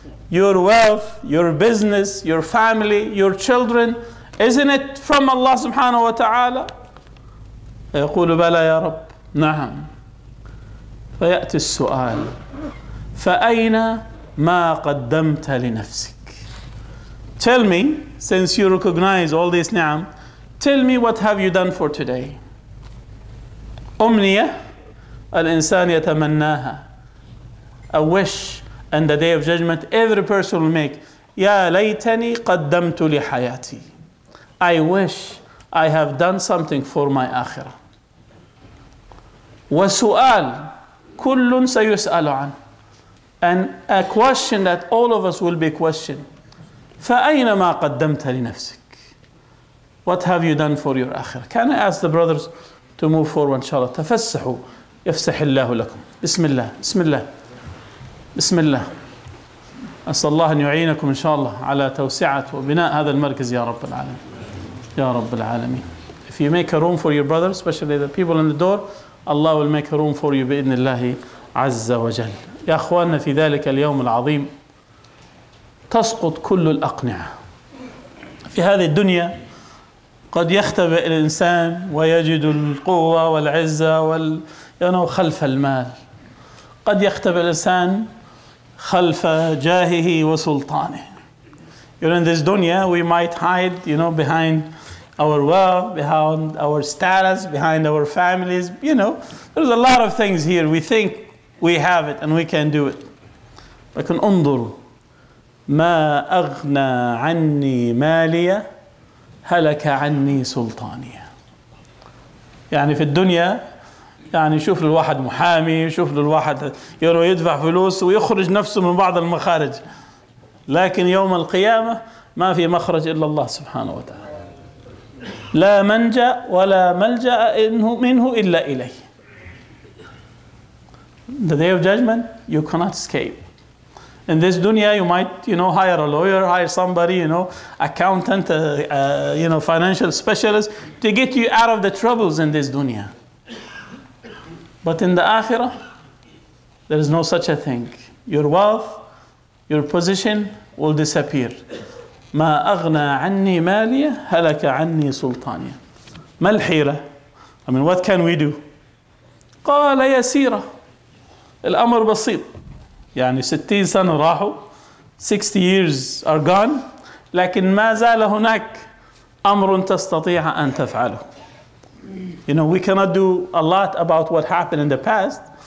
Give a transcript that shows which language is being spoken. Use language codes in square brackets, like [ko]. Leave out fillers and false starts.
[en] Your wealth, your business, your family, your children, isn't it from Allah سبحانه وتعالى؟ [ar] يقول بلى يا رب، نعم. فيأتي السؤال فأين ما قدمت لنفسك. [en] Tell me, since you recognize all this ni'am, tell me what have you done for today. [ar] أمنية الإنسان يتمناها. [en] A wish in the day of judgment every person will make. [ar] يا ليتني قدمت لحياتي. [en] I wish I have done something for my akhirah. [ar] وسؤال كل سيسأل عنه. [en] And a question that all of us will be questioned. [ar] فأين ما قدمت لنفسك؟ [en] What have you done for your akhirah? Can I ask the brothers to move forward inshallah? [ar] تفسحوا يفسح الله لكم. بسم الله بسم الله بسم الله. أسأل الله أن يعينكم إن شاء الله على توسعة وبناء هذا المركز يا رب العالمين. يا رب العالمين. [en] If you make a room for your brother, especially the people in the door, Allah will make a room for you [ar] بإذن الله عز وجل. يا أخواننا في ذلك اليوم العظيم تسقط كل الأقنعة. في هذه الدنيا قد يختبئ الإنسان ويجد القوة والعزة يعني خلف المال. قد يختبئ الإنسان خلف جاهه وسلطانه. [en] You know, in this dunya, we might hide, you know, behind our wealth, behind our status, behind our families. You know, there's a lot of things here. We think we have it and we can do it. [ar] لكن انظر ما أغنى عني مالية هلك عني سلطانية. يعني في الدنيا يعني يشوف للواحد محامي، يشوف للواحد يروح يدفع فلوس ويخرج نفسه من بعض المخارج، لكن يوم القيامة ما في مخرج إلا الله سبحانه وتعالى. لا منجأ ولا ملجأ منه إلا إليه. [en] The day of judgment, you cannot escape. In this dunya, you might, you know, hire a lawyer, hire somebody, you know, accountant, you know, financial specialist to get you out of the troubles in this dunya. But in the akhirah, there is no such a thing. Your wealth, your position will disappear. [ar] ما أغنى عني مالية هلك عني سلطانية. ما الحيرة؟ [en] I mean, what can we do? [ar] قال يسيرة. الأمر بسيط. يعني 60 سنة راحوا. [en] 60 years are gone. [ar] لكن ما زال هناك أمر تستطيع أن تفعله. [en] You know, we cannot do a lot about what happened in the past.